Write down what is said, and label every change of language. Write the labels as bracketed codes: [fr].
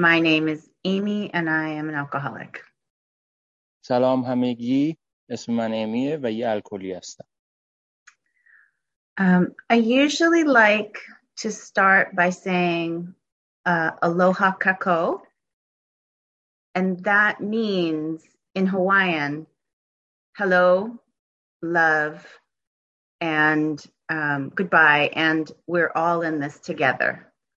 [en] My name is Amy and I am an alcoholic. [fa] سلام همگی. اسم من ایمیه و یه الکلی هستم. [en] I usually like to start by saying [haw] aloha kakou. [en] And that means in Hawaiian, hello, love, and goodbye, and we're all in this together.